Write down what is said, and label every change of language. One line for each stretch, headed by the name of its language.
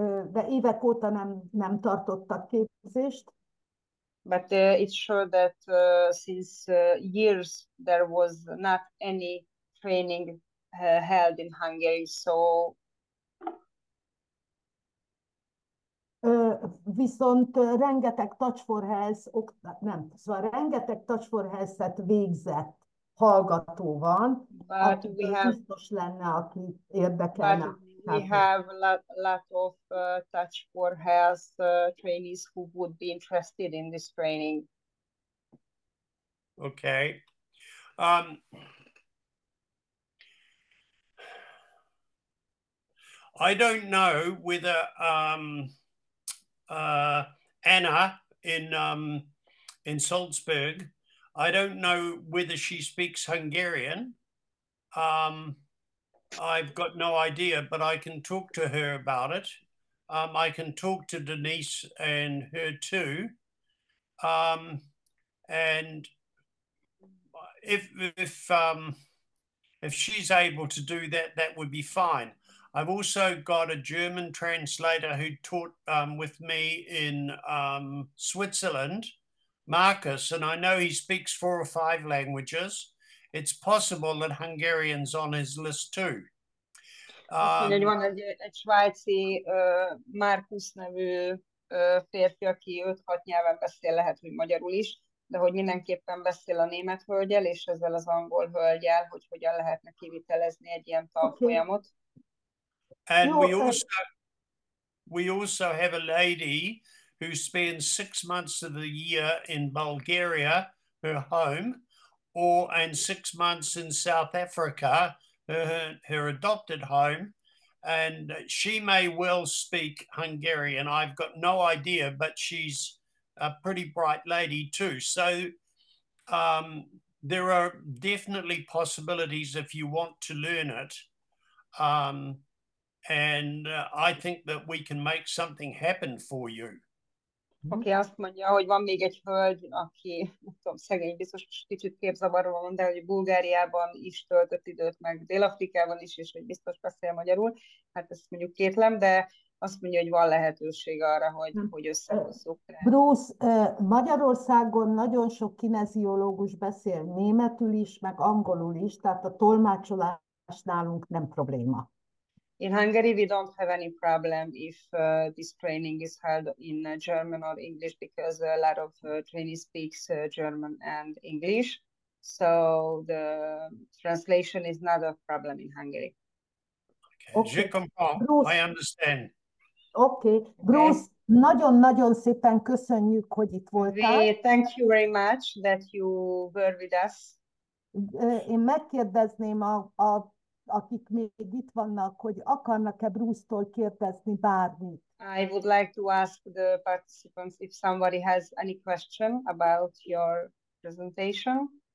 Hungarian: De évek óta nem tartottak képzést.
English: But it's sure that since years there was not any training held in Hungary, so...
Hungarian: Viszont rengeteg touch for health, nem, szóval rengeteg touch for health-et végzett hallgató van, biztos lenne, aki érdekelne.
English: We have lot of touch for health trainees who would be interested in this training. Okay. I don't know whether Anna in Salzburg, I don't know whether she speaks Hungarian. I've got no idea, but I can talk to her about it. I can talk to Denise and her too. And if she's able to do that, that would be fine. I've also got a German translator who taught with me in Switzerland, Marcus, and I know he speaks four or five languages. It's possible that Hungarian's on his list too.
Hungarian: Van egy svájci Marcus nevű férfi, aki 5-6 nyelven beszél, lehet, hogy magyarul is, de hogy mindenképpen beszél a német hölgyel és ezzel az angol hölgyel, hogy hogyan lehetne kivitelezni egy ilyen tanfolyamot.
English: And we also have a lady who spends 6 months of the year in Bulgaria, her home, and 6 months in South Africa, her adopted home, and she may well speak Hungarian. I've got no idea, but she's a pretty bright lady too. So there are definitely possibilities if you want to learn it. And I think that we can make something happen for you.
Hungarian: Okay, azt mondja, hogy van még egy hölgy, aki, nem tudom, szegény, biztos kicsit képzavarva van, de hogy Bulgáriában is töltött időt, meg Dél-Afrikában is, és hogy biztos beszél magyarul. Hát ezt mondjuk kétlem, de azt mondja, hogy van lehetőség arra, hogy összehozzuk. Bruce, Magyarországon nagyon sok kineziológus beszél németül is, meg angolul is, tehát a tolmácsolás nálunk nem probléma.
English: In Hungary, we don't have any problem if this training is held in German or English because a lot of trainees speaks German and English. So the translation is not a problem in Hungary. Okay.
French: Je comprends.
English: Bruce. I understand. Okay. Bruce,
Hungarian: Nagyon-nagyon szépen köszönjük, hogy itt voltál.
English: We thank you very much that you were with us.
Hungarian: Én megkérdezném akik még itt vannak, hogy akarnak-e Bruce-tól kérdezni bármit.
English: I would like to ask the participants if somebody has any question about your presentation.